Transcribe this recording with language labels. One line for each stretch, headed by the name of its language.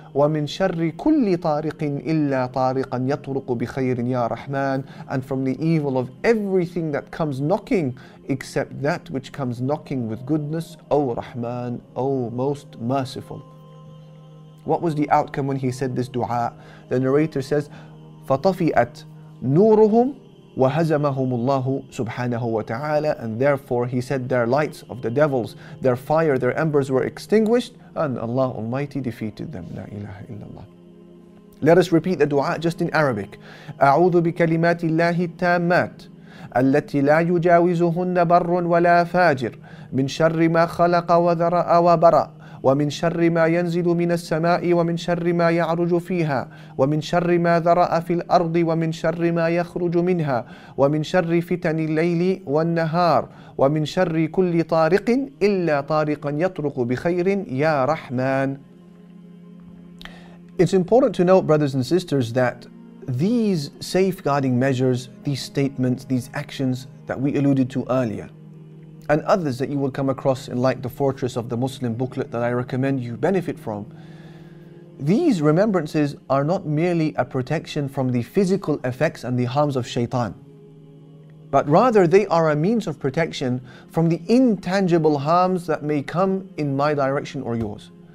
Arabic: وَمِنْ شَرِّ كُلِّ طَارِقٍ إِلَّا طَارِقًا يَطْرُقُ بِخَيْرٍ يَا رَحْمَنِ.
English: And from the evil of everything that comes knocking, except that which comes knocking with goodness. O Rahman, O Most Merciful. What was the outcome when he said this dua? The narrator says,
Arabic: فَطَفِئَتْ نُورُهُمْ وَهَزَمَهُمُ اللَّهُ سُبْحَانَهُ وَتَعَالَى.
English: And therefore he said their lights of the devils, their fire, their embers were extinguished, and Allah Almighty defeated them.
Arabic: La ilaha illallah.
English: Let us repeat the dua just in Arabic.
Arabic: أَعُوذُ بِكَلِمَاتِ اللَّهِ التَّامَّاتِ التي لا يجاوزهن بر ولا فاجر من شر ما خلق وذرأ وبرأ ومن شر ما ينزل من السماء ومن شر ما يعرج فيها ومن شر ما ذرأ في الأرض ومن شر ما يخرج منها ومن شر فتن الليل والنهار ومن شر كل طارق إلا طارقا يطرق بخير يا رحمن.
English: It's important to note, brothers and sisters, that these safeguarding measures, these statements, these actions that we alluded to earlier, and others that you will come across in like the Fortress of the Muslim booklet that I recommend you benefit from, these remembrances are not merely a protection from the physical effects and the harms of shaitan, but rather they are a means of protection from the intangible harms that may come in my direction or yours.